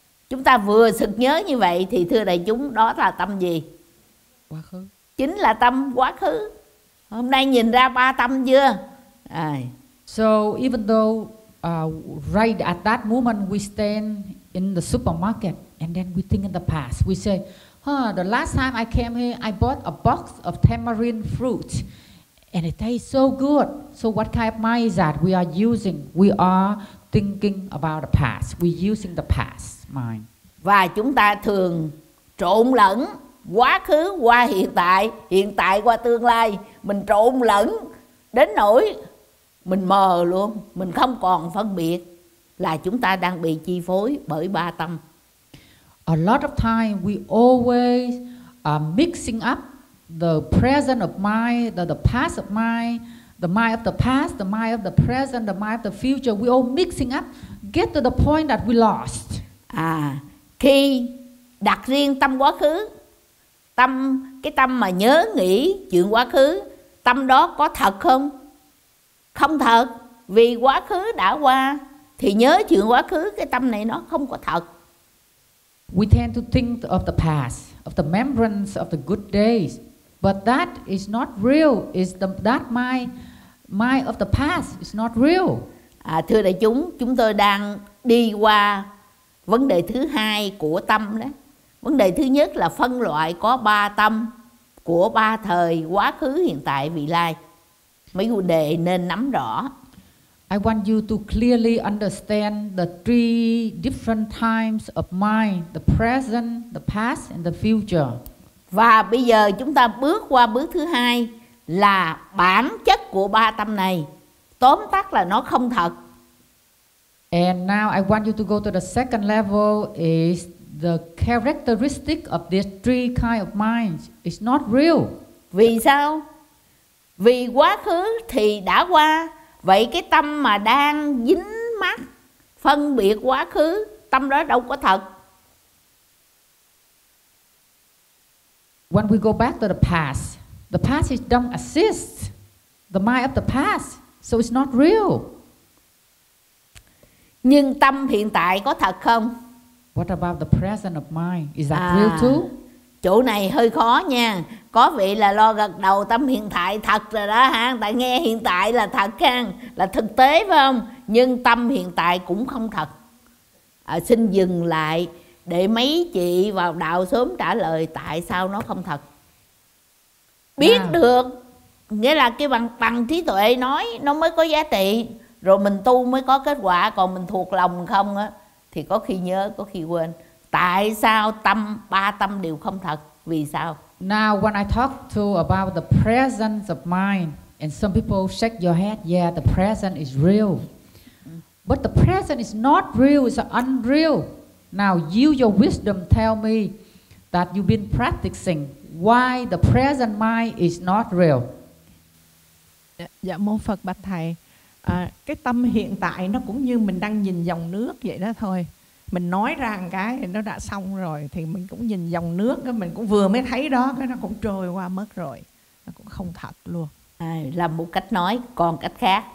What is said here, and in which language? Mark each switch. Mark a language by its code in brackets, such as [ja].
[vi] Chúng ta vừa sực nhớ như vậy, thì thưa đại chúng, đó là tâm gì? Quá khứ. Chính là tâm quá khứ. Hôm nay nhìn ra ba tâm chưa? [en] So even though right at that moment we stand in the supermarket and then we think in the past, we say, huh, the last time I came here, I bought a box of tamarind fruit and it tastes so good. So what kind of mind is that we are using? We are thinking about the past. We're using the past mind. [vi] Và chúng ta thường trộn lẫn quá khứ qua hiện tại qua tương lai. Mình trộn lẫn đến nỗi mình mờ luôn, mình không còn phân biệt, là chúng ta đang bị chi phối bởi ba tâm. [en] A lot of time we always mixing up the present of mind, the past of mind, the mind of the past, the mind of the present, the mind of the future. We all mixing up, get to the point that we lost. [vi] À, khi đặt riêng tâm quá khứ, tâm cái tâm mà nhớ nghĩ chuyện quá khứ, tâm đó có thật không? Không thật, vì quá khứ đã qua thì nhớ chuyện quá khứ cái tâm này nó không có thật. [en] We tend to think of the past, of the remembrances of the good days, but that is not real. Is the that mind of the past is not real. [vi] À, thưa đại chúng, chúng tôi đang đi qua vấn đề thứ hai của tâm đó. Vấn đề thứ nhất là phân loại có ba tâm của ba thời: quá khứ, hiện tại, vị lai. Mấy vấn đề nên nắm rõ. [en] I want you to clearly understand the three different times of mind: the present, the past, and the future. [vi] Và bây giờ chúng ta bước qua bước thứ hai là bản chất của ba tâm này. Tóm tắt là nó không thật. [en] And now I want you to go to the second level: is the characteristic of these three kind of minds. It's not real. [vi] Vì sao? Vì quá khứ thì đã qua, vậy cái tâm mà đang dính mắc phân biệt quá khứ, tâm đó đâu có thật. [en] When we go back to the past is don't exist, the mind of the past, so it's not real. [vi] Nhưng tâm hiện tại có thật không? [en] What about the present of mind? Is that real too? [vi] Chỗ này hơi khó nha. Có vị là lo gật đầu, tâm hiện tại thật rồi đó ha. Tại nghe hiện tại là thật ha, là thực tế phải không? Nhưng tâm hiện tại cũng không thật. À, xin dừng lại để mấy chị vào đạo sớm trả lời tại sao nó không thật. Biết được, nghĩa là cái bằng trí tuệ nói nó mới có giá trị. Rồi mình tu mới có kết quả, còn mình thuộc lòng không á, thì có khi nhớ, có khi quên. Tại sao tâm, ba tâm đều không thật? Vì sao? [en] Now when I talk to about the presence of mind, and some people shake your head, yeah, the present is real. But the present is not real, it's unreal. Now use your wisdom tell me that you've been practicing why the present mind is not real. [vi] Dạ mô Phật bạch thầy, cái tâm hiện tại nó cũng như mình đang nhìn dòng nước vậy đó thôi. Mình nói ra một cái nó đã xong rồi thì mình cũng nhìn dòng nước cái mình cũng vừa mới thấy đó cái nó cũng trôi qua mất rồi. Nó cũng không thật luôn. Là một cách nói, còn cách khác.